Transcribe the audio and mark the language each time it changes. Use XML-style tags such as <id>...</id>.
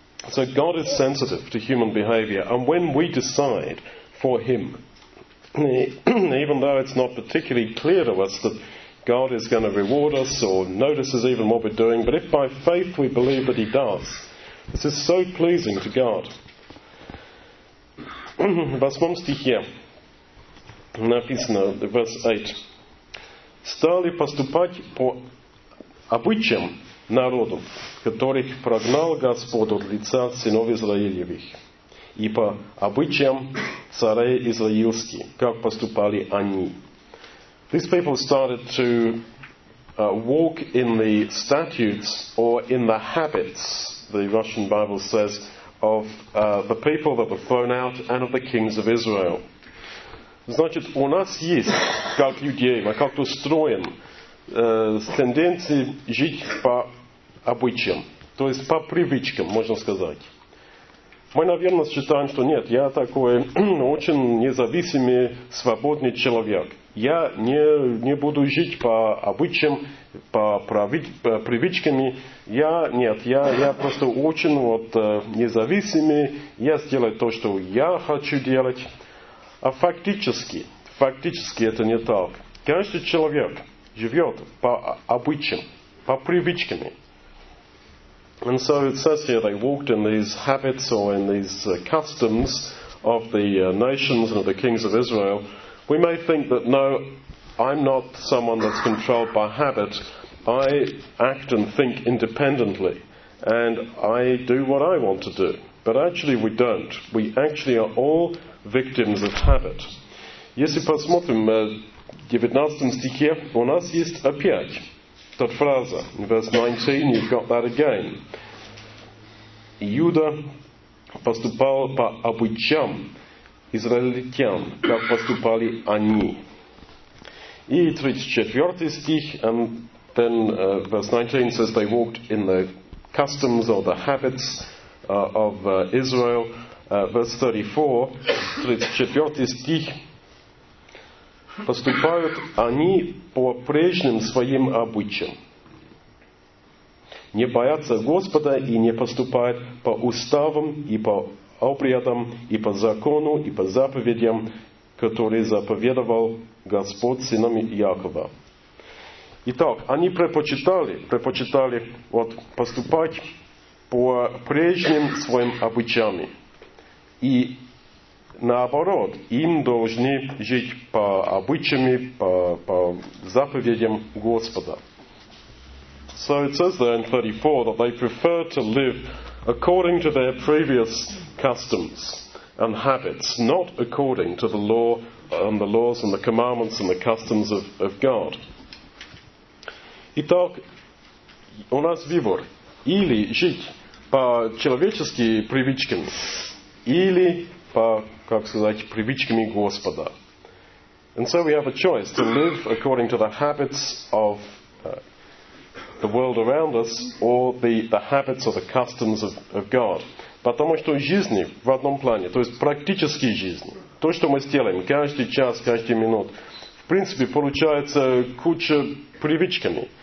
<en>So God is sensitive to human behavior, and when we decide for him, even though it's not particularly clear to us that God is going to reward us or notices even what we're doing, but if by faith we believe that he does, this is so pleasing to God.</en> <ru>В 8 стихе написано,</ru> <en>verse 8,</en> <ru>«Стали поступать по обычаям народов, которых прогнал Господь от лица сынов Израилевых». И по обычаям царей израильских, как поступали они.</ru> <en>These people started to walk in the statutes or in the habits, the Russian Bible says, of the people that were thrown out and of the kings of Israel.</en> <ru>Значит, у нас есть, как людей, мы как-то строим тенденции жить по обычаям, то есть по привычкам, можно сказать. Мы, наверное, считаем, что нет, я такой очень независимый, свободный человек. Я не буду жить по обычаям, по привычкам. Я просто очень независимый. Я сделаю то, что я хочу делать. А фактически это не так. Каждый человек живет по обычаям, по привычкам.</ru> <en>And so it says here they walked in these habits or in these customs of the nations and of the kings of Israel. We may think that no, I'm not someone that's controlled by habit. I act and think independently and I do what I want to do. But actually we don't. We actually are all victims of habit.</en> <ru>Если посмотрим в 19 стихе, у нас есть опять.</ru> <en>That phrase, in verse 19, you've got that again.</en> <ru>Иуда поступал по обычаям израильтян, как поступали они. И 34 стих,</ru> <en>and then verse 19 says they walked in the customs or the habits of Israel. Verse 34 стих.</en> <ru>Поступают они по прежним своим обычаям. Не боятся Господа и не поступают по уставам и по обрядам и по закону и по заповедям, которые заповедовал Господь сынам Иакова. Итак, они предпочитали вот, поступать по прежним своим обычаям. И наоборот, им должны жить по обычаям, по заповедям Господа.</ru> <en>So it says there in 34 that they prefer to live according to their previous customs and habits, not according to the law and the laws and the commandments and the customs of God.</en> <ru>Итак, у нас выбор. Или жить по человеческим привычкам, или по, как сказать, привычками Господа.</ru> <en>And so we have a choice to live according to the habits of the world around us or the habits or the customs of God.</en> <ru>Потому что жизни в одном плане, то есть практические жизни, то, что мы сделаем каждый час, каждую минуту, в принципе, получается куча привычками.</ru>